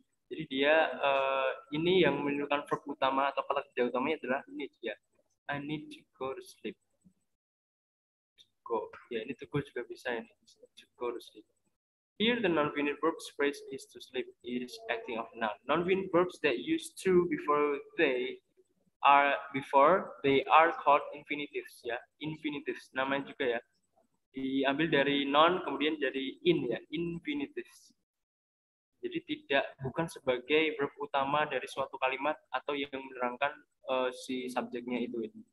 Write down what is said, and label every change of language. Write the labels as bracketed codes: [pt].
[id] Jadi dia ini yang menunjukkan verb utama atau kata kerja utamanya adalah ini ya, [en] I need to go to sleep. [id] Go. Ya ini to go juga bisa ya, [en] to go to sleep. Here the non-finite verb phrase is to sleep. It is acting of noun. Non-finite verbs that use to before they are called infinitives. [id] Ya, infinitives. Namanya juga ya. Diambil dari non kemudian jadi in ya. Infinitives. Jadi tidak bukan sebagai verb utama dari suatu kalimat atau yang menerangkan si subjeknya itu.